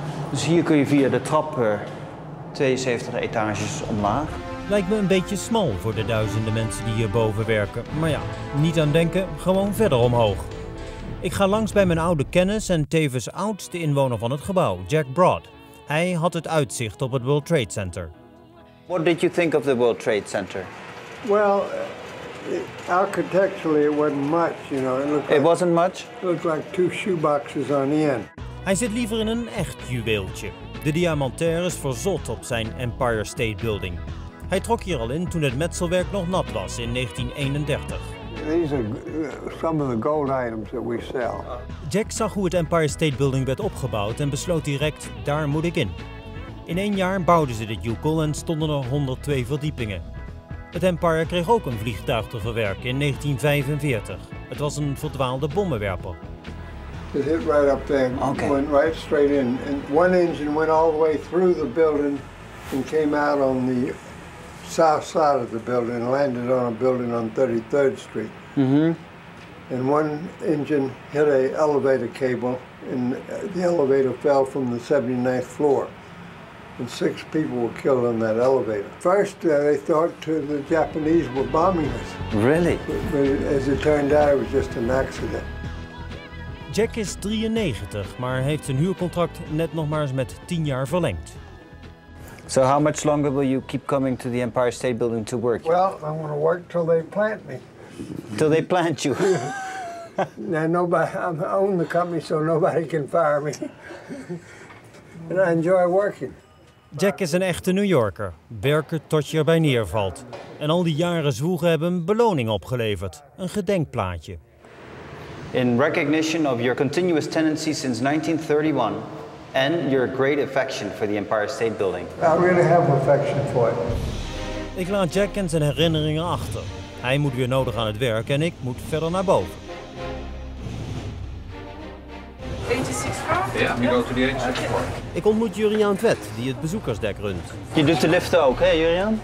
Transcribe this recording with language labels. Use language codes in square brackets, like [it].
[nl] Dus hier kun je via de trap 72 etages omlaag. Lijkt me een beetje smal voor de duizenden mensen die hierboven werken. Maar ja, niet aan denken, gewoon verder omhoog. Ik ga langs bij mijn oude kennis en tevens oudste inwoner van het gebouw, Jack Broad. Hij had het uitzicht op het World Trade Center. [en] What did you think of the World Trade Center? Well, architecturally it wasn't much, you know. It wasn't much? It looked like two shoeboxes on the end. [nl] Hij zit liever in een echt juweeltje. De diamantair is verzot op zijn Empire State Building. Hij trok hier al in toen het metselwerk nog nat was in 1931. [en] These are some of the gold items that we sell. [nl] Jack zag hoe het Empire State Building werd opgebouwd en besloot direct, daar moet ik in. In één jaar bouwden ze de Jukol en stonden er 102 verdiepingen. Het Empire kreeg ook een vliegtuig te verwerken in 1945. Het was een verdwaalde bommenwerper. [en] It hit right up there, went right straight in. And one engine went all the way through the building and came out on the south side of the building and landed on a building on 33rd Street. And one engine hit a elevator cable and the elevator fell from the 79th floor. And six people were killed on that elevator. First, they thought the Japanese were bombing us. Really? But as it turned out, it was just an accident. [nl] Jack is 93, maar heeft zijn huurcontract net nog maar eens met 10 jaar verlengd. [en] So how much longer will you keep coming to the Empire State Building to work? Well, I'm going to work till they plant me. Till they plant you? I own the company, so nobody can fire me. And I enjoy working. [nl] Jack is een echte New Yorker. Werken tot je erbij neervalt. En al die jaren zwoegen hebben een beloning opgeleverd. Een gedenkplaatje. [en] In recognition of your continuous tenancy since 1931, and your great affection for the Empire State Building. I really have affection for it. [nl] Ik laat Jack en zijn herinneringen achter. Hij moet weer nodig aan het werk en ik moet verder naar boven. 86 [en] Yeah, we go to the 84. [nl] Ik ontmoet Jurriaan Twet, die het bezoekersdek runt. Je doet de liften ook, hè Jurriaan?